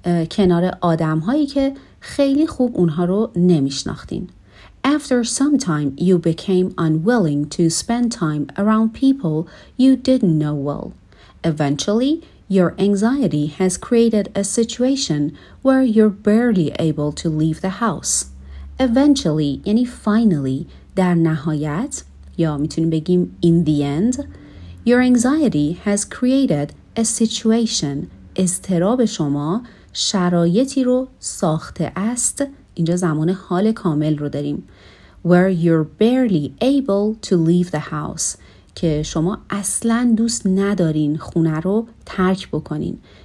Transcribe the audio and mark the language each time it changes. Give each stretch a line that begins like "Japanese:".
Persian: کنار آدم هایی که خیلی خوب اونها رو نمیشناختین.
English: After some time you became unwilling to spend time around people you didn't know well. Eventually your anxiety has created a situation where you're barely able to leave the house.
Persian: Eventually یعنی finally، در نهایت یا میتونیم بگیم
English: in the end، your anxiety has created a situation،
Persian: اضطراب شما شرایطی رو ساخته است، اینجا زمان حال کامل رو داریم،
English: where you're barely able to leave the house،
Persian: که شما اصلاً دوست ندارین خونه رو ترک بکنین.